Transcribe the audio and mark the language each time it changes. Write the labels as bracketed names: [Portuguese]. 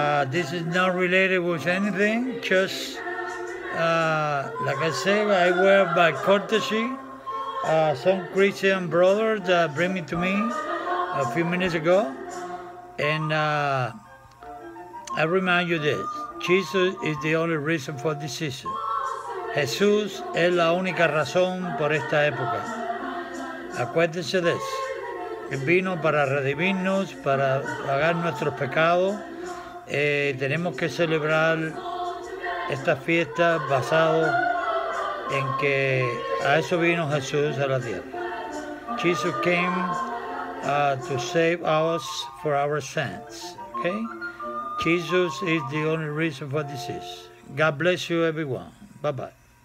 [English] This is not related with anything, just like I said, I wear by courtesy some Christian brothers that bring it to me a few minutes ago, and I remind you this, Jesus is the only reason for this season. [Spanish] Jesús es la única razón por esta época. Acuérdense de eso, él vino para redimirnos, para pagar nuestros pecados. Tenemos que celebrar esta fiesta basado en que a eso vino Jesús a la tierra. [English] Jesus came to save us for our sins. Okay? Jesus is the only reason for this. God bless you, everyone. Bye-bye.